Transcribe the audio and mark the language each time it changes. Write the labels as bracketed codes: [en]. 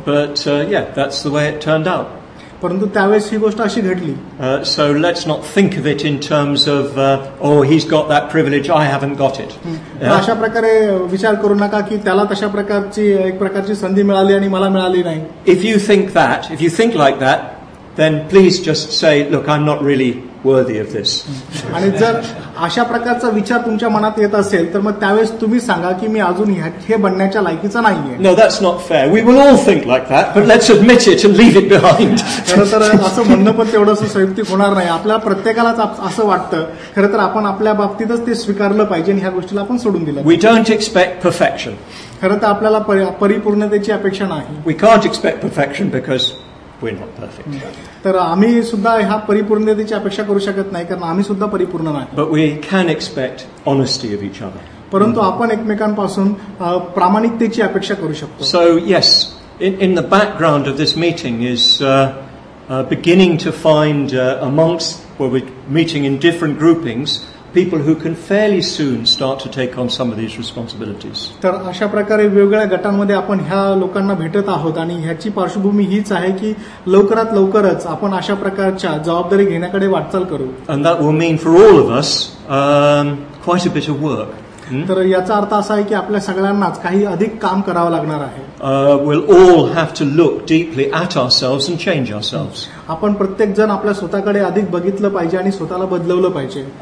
[en] But yeah that's the way it turned out. [mr] परंतु त्यावेळेस ही गोष्ट अशी घडली. [en] So let's not think of it in terms of oh he is got that privilege I haven't got it. [mr] अशा प्रकारे विचार करू नका की त्याला तशा प्रकारची एक प्रकारची संधी मिळाली आणि मला मिळाली नाही. [en] If you think that, if you think like that, then please just say look I am not really worthy of this. [mr] आणि जर अशा प्रकारचा विचार तुमच्या मनात येत असेल तर मग त्यावेळेस तुम्ही सांगा की मी अजून हे बनण्याच्या लायकीचा नाहीये. [en] No that's not fair. We will all think like that but let's admit it and leave it behind. [mr] खरं तर असं म्हणणं पण तेवढंसं संयुक्तिक होणार नाही. आपल्या प्रत्येकालाच असं वाटतं. खरं तर आपण आपल्या बाबतीतच ते स्वीकारलं पाहिजे आणि ह्या गोष्टीला आपण सोडून दिलं. [en] We don't expect perfection. [mr] खरं तर आपल्याला परिपूर्णतेची अपेक्षा नाही. [en] We can't expect perfection because we are not perfect. [mr] तर आम्ही सुद्धा ह्या परिपूर्णतेची अपेक्षा करू शकत नाही कारण आम्ही सुद्धा परिपूर्ण नाही. [en] But we can expect honesty of each other. [mr] परंतु आपण एकमेकांपासून प्रामाणिकतेची अपेक्षा करू शकतो. [en] So yes, in the background of this meeting is beginning to find amongst we are meeting in different groupings people who can fairly soon start to take on some of these responsibilities. [mr] तर अशा प्रकारे वेगवेगळ्या गटांमध्ये आपण ह्या लोकांना भेटत आहोत आणि ह्याची पार्श्वभूमी हीच आहे की लवकरात लवकरच आपण अशा प्रकारच्या जबाबदारी घेण्याकडे वाटचाल करू. [en] And that will mean for all of us quite a bit of work. [mr] तर याचा अर्थ असा आहे की आपल्या सगळ्यांनाच काही अधिक काम करावं लागणार आहे. [en] We'll all have to look deeply at ourselves and change ourselves. [mr] आपण प्रत्येक जण आपल्या स्वतःकडे अधिक बघितलं पाहिजे आणि स्वतःला बदलवलं पाहिजे.